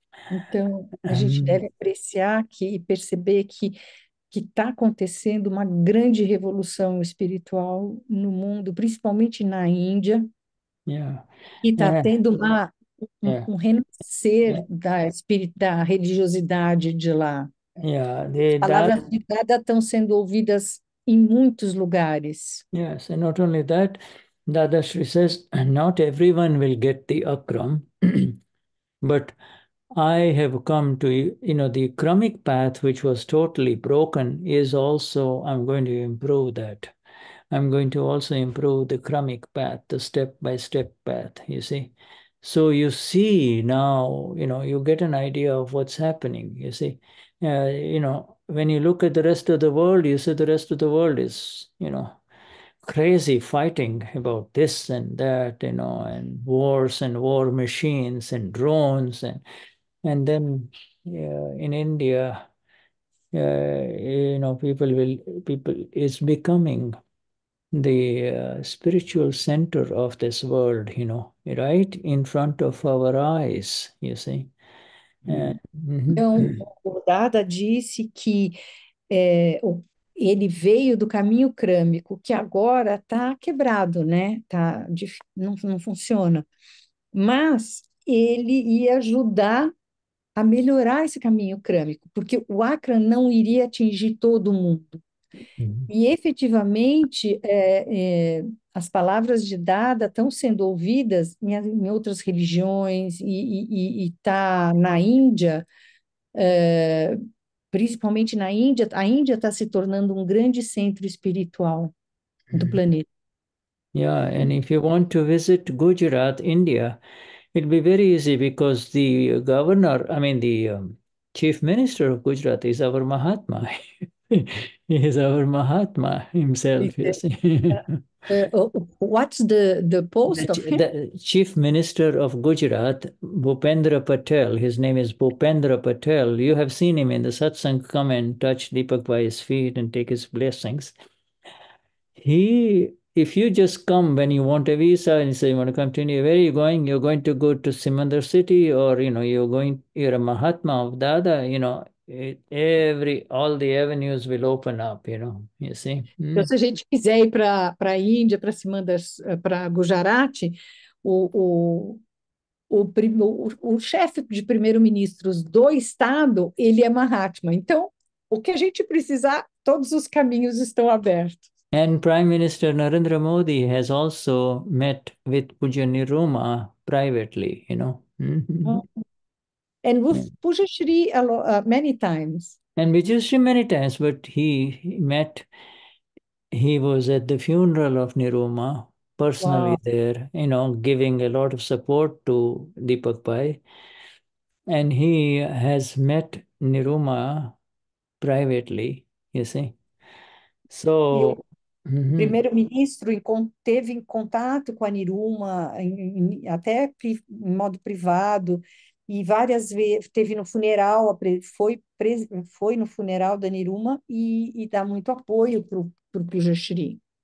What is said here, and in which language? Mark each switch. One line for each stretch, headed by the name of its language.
Portuguese: Então, a gente deve apreciar aqui e perceber que está acontecendo uma grande revolução espiritual no mundo, principalmente na Índia, e está tendo um renascer da religiosidade de lá. Palavras de Dada estão sendo ouvidas em muitos lugares.
English: Yes, and not only that, Dadashri says, not everyone will get the Akram, but I have come to, you know, the Akramic path, which was totally broken, is also, I'm going to improve that. I'm going to also improve the karmic path, the step-by-step path, you see. So you see now, you know, you get an idea of what's happening, you see. You know, when you look at the rest of the world, you see the rest of the world is, you know, crazy fighting about this and that, you know, and wars and war machines and drones. And then in India, you know, people is becoming the spiritual center of this world, you know, right in front of our eyes, you see.
Portuguese: Então, o Dada disse que ele veio do caminho crâmico, que agora está quebrado, né? Tá, não funciona. Mas ele ia ajudar a melhorar esse caminho crâmico, porque o Akram não iria atingir todo mundo. E efetivamente, as palavras de Dada estão sendo ouvidas em outras religiões e tá na Índia, principalmente na Índia. A Índia está se tornando um grande centro espiritual do planeta.
English: Yeah, and if you want to visit Gujarat, India, it'll be very easy because the governor, I mean the chief minister of Gujarat is our Mahatma. He is our Mahatma himself, you see. What's the post of him? The chief minister of Gujarat, Bhupendra Patel. His name is Bhupendra Patel. You have seen him in the satsang. Come and touch Deepak by his feet and take his blessings. He, if you just come when you want a visa and say you want to come to India, where are you going? You're going to go to Simandar City, or, you know, you're a Mahatma of Dada, you know. All the avenues will open up, you know, you see.
Portuguese: Então, se a gente quiser ir para a Índia, para cima das, para Gujarat, o chefe de primeiro-ministros do estado, ele é Mahatma. Então, o que a gente precisar, todos os caminhos estão abertos.
English: And Prime Minister Narendra Modi has also met with Pujaniya Rama privately, you know. And with Pujashri many times. And Pujashri many times, but he was at the funeral of Niruma, personally. Wow. There, you know, giving a lot of support to Deepak Bhai. And he has met Niruma privately, you see. So...
Portuguese: Primeiro-ministro teve em contato com a Niruma, até em modo privado, e várias vezes teve no funeral, foi no funeral da Niruma e dá muito apoio para o Pujashri.